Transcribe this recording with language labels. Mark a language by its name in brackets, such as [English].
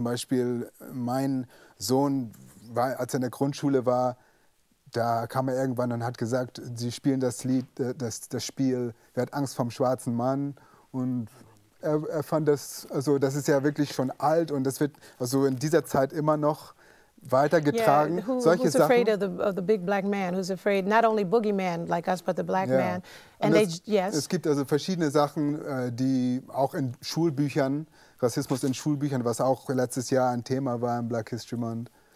[German] Zum Beispiel mein Sohn, als er in der Grundschule war, da kam er irgendwann und hat gesagt, sie spielen das Lied, das Spiel, wer hat Angst vorm schwarzen Mann? Und er fand das, also das ist ja wirklich schon alt und das wird also in dieser Zeit immer noch weitergetragen. [English] Yeah, [German] solche Sachen. [English] Who's afraid of the big black man? Who's afraid not only boogeyman like us, but the black man? [German] Es gibt also verschiedene Sachen, die auch in Schulbüchern, Rassismus in Schulbüchern, was auch letztes Jahr ein Thema war im Black History Month.